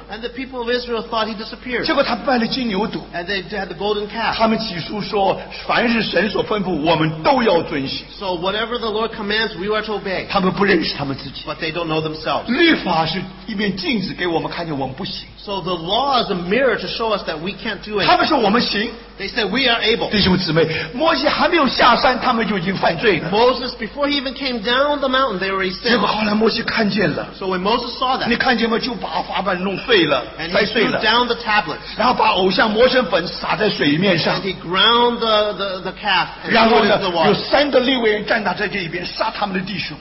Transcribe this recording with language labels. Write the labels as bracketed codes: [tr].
[en] And the people of Israel thought he disappeared. [zh] 结果他拜了金牛犊。 [en] And they had the golden calf. [zh] 他们起初说, 凡是神所吩咐, 我们都要遵行。 [en] So whatever the Lord commands, we are to obey. [zh] 他们不认识他们自己。 [en] But they don't know themselves. [zh] 律法是一面镜子给我们看见我们不行。 [en] So the law is a mirror to show us that we can't do it. [zh] 他们说我们行。 [en] They said we are able. [zh] 弟兄姊妹, 摩西还没有下山, 他们就已经犯罪了。 [en] Moses, before he even came down the mountain, they were sinned. [zh] 结果后来摩西看见了。 [en] So when Moses saw that, [zh] 你看见吗?就把法板弄废了, [en] and he threw down the tablets. [zh] 然后把偶像摩神粉撒在水面上。 [en] And he ground the calf and poured the water. [zh] 有三个利未人站在这一边, 杀他们的弟兄。